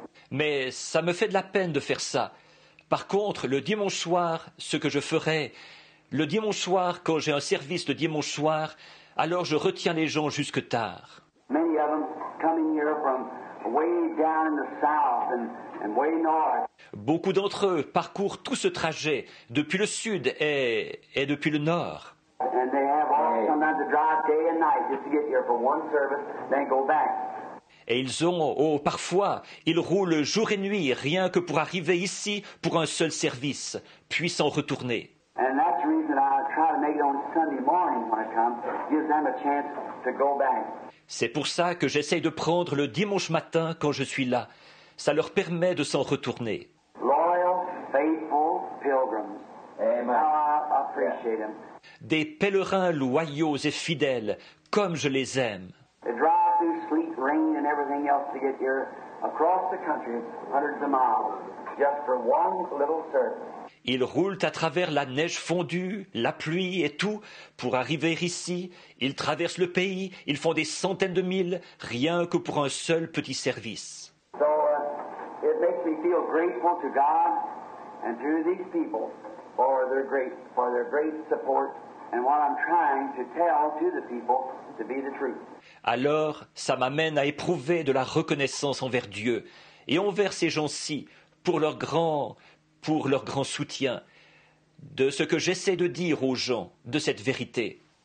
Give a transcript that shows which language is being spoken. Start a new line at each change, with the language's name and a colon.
French: Mais ça me fait de la peine de faire ça. Par contre, le dimanche soir, ce que je ferai, le dimanche soir, quand j'ai un service de dimanche soir, alors je retiens les gens jusque tard.
English: Many of them coming here from way down in the south and way north.
French: Beaucoup d'entre eux parcourent tout ce trajet depuis le sud et depuis le nord.
English: And they have all sometimes to drive day and night just to get here for one service, then go back.
French: Et ils ont, parfois, ils roulent jour et nuit rien que pour arriver ici pour un seul service, puis s'en retourner.
English: And that's the reason I try to make it on Sunday morning when I come, gives them a chance to go back.
French: C'est pour ça que j'essaye de prendre le dimanche matin quand je suis là. Ça leur permet de s'en retourner.
English: Loyal, faithful pilgrims. Amen. I appreciate them.
French: Des pèlerins loyaux et fidèles, comme je les aime.
English: They drive through sleet, rain and everything else to get here across the country, hundreds of miles, just for one little service.
French: Ils roulent à travers la neige fondue, la pluie et tout pour arriver ici. Ils traversent le pays, ils font des centaines de milles rien que pour un seul petit service.
English: So, it makes me feel grateful to God and to these people for their great support and what I'm trying to tell to the people to be the truth.
French: Alors, ça m'amène à éprouver de la reconnaissance envers Dieu et envers ces gens-ci pour leur grand soutien, de ce que j'essaie de dire aux gens, de cette vérité.